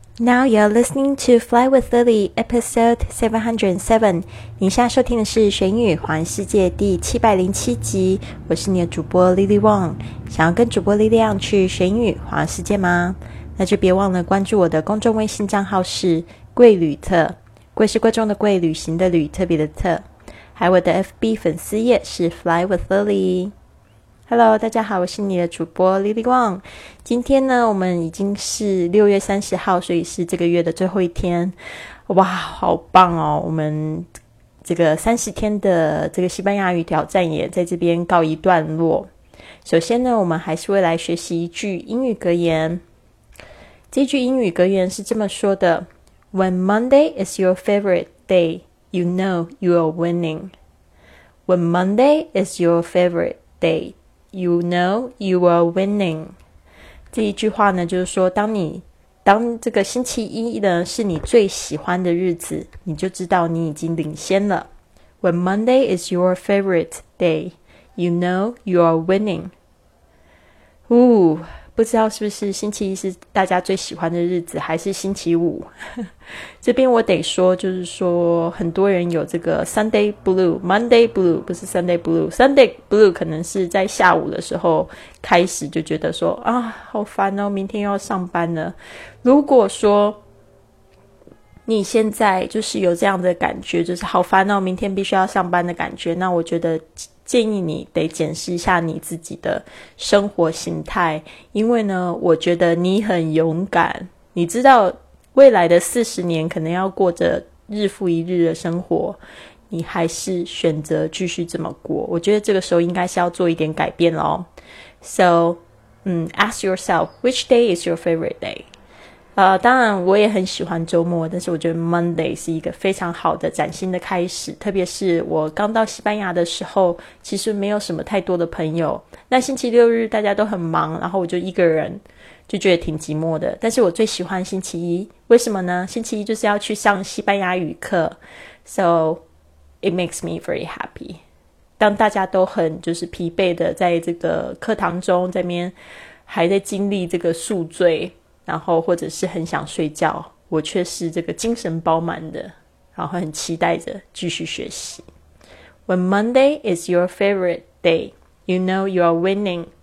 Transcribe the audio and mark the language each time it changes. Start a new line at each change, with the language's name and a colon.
English: Now you're listening to Fly with Lily, episode 707.
Chinese: 您现在收听的是《玄语环世界》第707集。我是你的主播 Lily Wong。想要跟主播力量去玄语环世界吗？那就别忘了关注我的公众微信账号是“贵旅特”，贵是贵重的贵，旅行的旅，特别的特。还有我的 FB 粉丝页是 Fly with Lily。Hello， 大家好，我是你的主播 Lily Wong。今天呢，我们已经是6月30号，所以是这个月的最后一天。哇，好棒哦，我们这个30天的这个西班牙语挑战也在这边告一段落。首先呢，我们还是会来学习一句英语格言。这句英语格言是这么说的：
English: When Monday is your favorite day, you know you are winning. When Monday is your favorite dayYou know you are winning.
Chinese: 这一句话呢，就是说，当这个星期一呢是你最喜欢的日子，你就知道你已经领先了。
English: When Monday is your favorite day, you know you are winning.
Chinese: 哦，不知道是不是星期一是大家最喜欢的日子，还是星期五？这边我得说，就是说很多人有这个 Sunday Blue， Monday Blue 不是 Sunday Blue， Sunday Blue 可能是在下午的时候开始就觉得说啊，好烦哦，明天要上班了。如果说你现在就是有这样的感觉，就是好烦哦，明天必须要上班的感觉，那我觉得建议你得检视一下你自己的生活形态。因为呢，我觉得你很勇敢，你知道未来的40年可能要过着日复一日的生活，你还是选择继续这么过。我觉得这个时候应该是要做一点改变咯。
English: So ask yourself, which day is your favorite day?
Chinese: 当然我也很喜欢周末，但是我觉得 Monday 是一个非常好的崭新的开始。特别是我刚到西班牙的时候，其实没有什么太多的朋友，那星期六日大家都很忙，然后我就一个人，就觉得挺寂寞的。但是我最喜欢星期一，为什么呢？星期一就是要去上西班牙语课，
English: So it makes me very happy.
Chinese: 当大家都很就是疲惫的在这个课堂中，在那边还在经历这个宿醉，然后或者是很想睡觉，我却是这个精神饱满的，然后很期待着继续学习。
English: When Monday is your favorite day, you know you are winning.